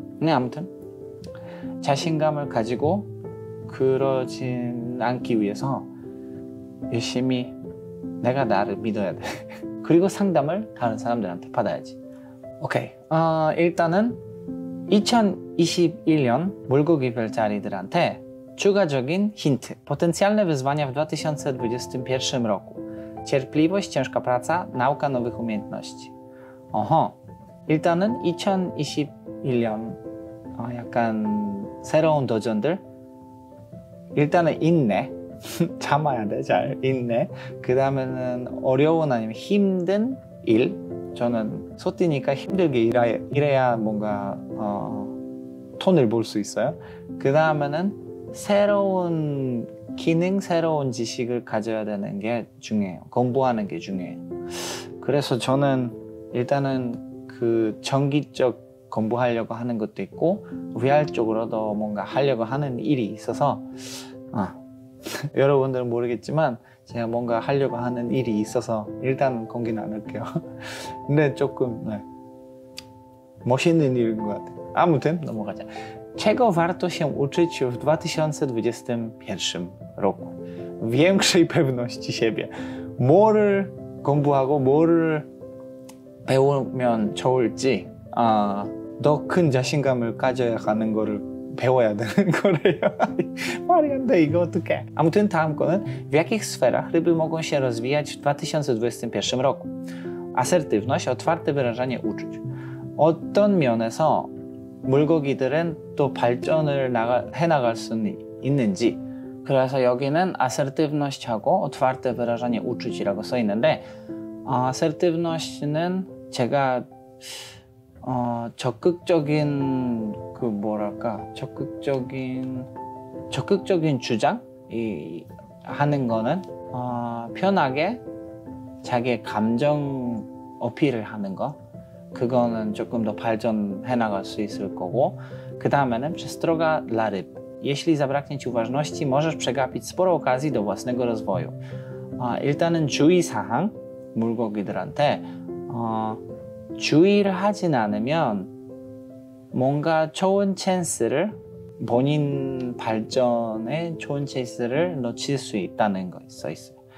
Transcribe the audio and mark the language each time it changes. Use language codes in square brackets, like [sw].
[ko] 근데 아무튼 자신감을 가지고 그러지 않기 위해서 열심히 내가 나를 믿어야 돼. 그리고 상담을 다른 사람들한테 받아야지. 오케이. 일단은 2021년 물고기 별자리들한테 추가적인 힌트. [pl] Potencjalne wyzwania w 2021 roku. Cierpliwość, ciężka praca, nauka nowych umiejętności. Oho. [ko] 일단은 2021년 약간 새로운 도전들 일단은 인내 참아야 돼 잘 인내 그 다음에는 어려운 아니면 힘든 일 저는 소띠니까 힘들게 일해야 뭔가 톤을 볼 수 있어요 그 다음에는 새로운 기능 새로운 지식을 가져야 되는 게 중요해요 공부하는 게 중요해요 그래서 저는 일단은 그 정기적 공부하려고 하는 것도 있고 VR 쪽으로도 뭔가 하려고 하는 일이 있어서 여러분들은 모르겠지만 제가 뭔가 하려고 하는 일이 있어서 일단 공개는 안 할게요. 근데 조금 네. 멋있는 일인 것 같아요. 아무튼 넘어가자. [pl] czego warto się uczyć w 2021 roku? Większej pewności siebie. [ko] 뭐를 공부하고 뭐를 배우면 좋을지 더 큰 자신감을 가져야 하는 거를 배워야 되는 거래요. 말이 안 돼. 이거 어떡해. 아무튼 다음 거는 [pl] w jakich sferach ryby mogą się rozwijać w 2021 roku? Asertywność, otwarte wyrażanie uczuć. [ko] 어떤 면에서 물고기들은 또 발전을 해나갈 수 있는지. 그래서 여기는 assertiveness하고 [pl] otwarte wyrażanie uczuć [ko] 이라고 써 있는데 assertiveness는 제가 적극적인 그 뭐랄까 적극적인 주장 이 하는 거는 편하게 자기의 감정 어필을 하는 거 그거는 조금 더 발전해 나갈 수 있을 거고 그 다음에는 [pl] przestroga dla ryb. Jeśli zabraknie ci uważności, możesz przegapić sporo okazji do własnego rozwoju. [ko] 일단은 주의사항 물고기들한테 주의를 하진 않으면 뭔가 좋은 찬스를 본인 발전에 좋은 찬스를 놓칠 수 있다는 거 써 있어요.